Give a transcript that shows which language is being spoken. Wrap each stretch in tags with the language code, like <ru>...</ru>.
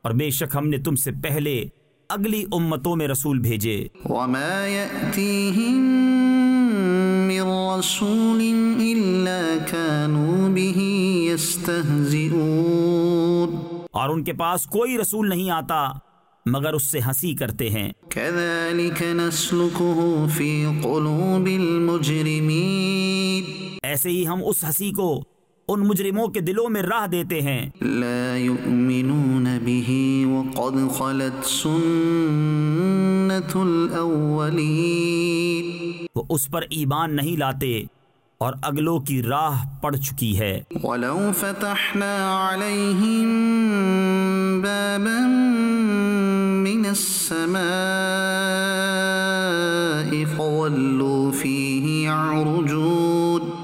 <ur>اور بے شک ہم نے تم سے پہلے اگلی امتوں میں رسول بھیجے</ur> <ar>وَمَا يَأْتِيهِمْ من رسول إلا كانوا به تهزئون</ar> <ur>اور ان کے پاس کوئی رسول نہیں آتا مگر اس سے ہنسی کرتے ہیں۔</ur> <ar>كذلك نسلكه في قلوب المجرمين</ar> <ur>ایسے ہی ہم اس ہنسی کو ان مجرموں کے دلوں میں راہ دیتے ہیں۔</ur> <ar>لا يؤمنون به وقد خلت سنة الأولين</ar> <ur>وہ اس پر ایمان نہیں لاتے اور اگلوں کی راہ پڑ چکی ہے۔</ur> <ar>ولو فتحنا عليهم بابا من السماء فولوا فيه يعرجون</ar>